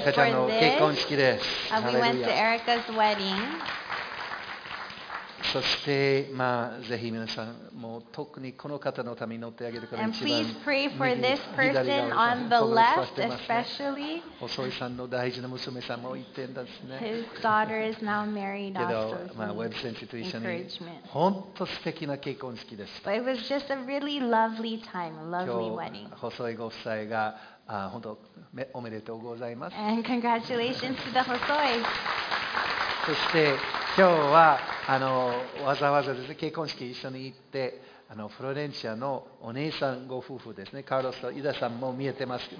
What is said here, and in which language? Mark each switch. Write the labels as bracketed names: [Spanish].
[Japanese] エリカちゃんの結婚式です。 [English] We went to Erica's wedding. [Japanese] そして、まあ、ぜひ皆さん、もう特にこの方のために乗ってあげてください。 [English] And please pray for this person on the left, especially. [Japanese] 細井さんの大事な娘さんも行ってんですね。 [English] His daughter is now married also. [Japanese] けど、まあ、ウェブ先生と一緒に、本当素敵な結婚式でした。 [English] But it was just a really lovely time, a lovely wedding. [Japanese] 今日、細井ご夫妻が、本当、おめでとうございます。 [English] And congratulations to the Hosoi. [Japanese] そして、今日はわざわざです、ね、結婚式一緒に行ってフロレンシアのお姉さんご夫婦ですね、カルロスとイダさんも見えてます。